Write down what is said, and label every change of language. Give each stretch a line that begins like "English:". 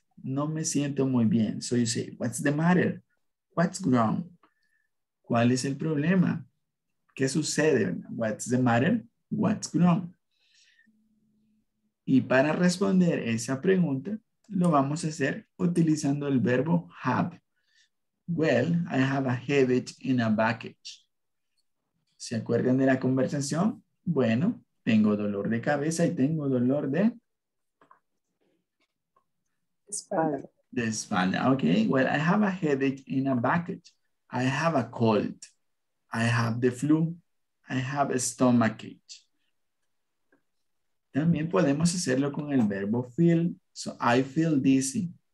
Spanish: No me siento muy bien.
English: So you say, what's the matter? What's wrong?
Spanish: ¿Cuál es el problema? ¿Qué sucede?
English: What's the matter? What's wrong?
Spanish: Y para responder esa pregunta, lo vamos a hacer utilizando el verbo have.
English: Well, I have a headache and a backache.
Spanish: ¿Se acuerdan de la conversación? Bueno, tengo dolor de cabeza y tengo dolor de espalda.
English: The Spanish. Okay. Well, I have a headache and a backache. I have a cold. I have the flu. I have a stomachache.
Spanish: También podemos hacerlo con el verbo feel.
English: So I feel dizzy.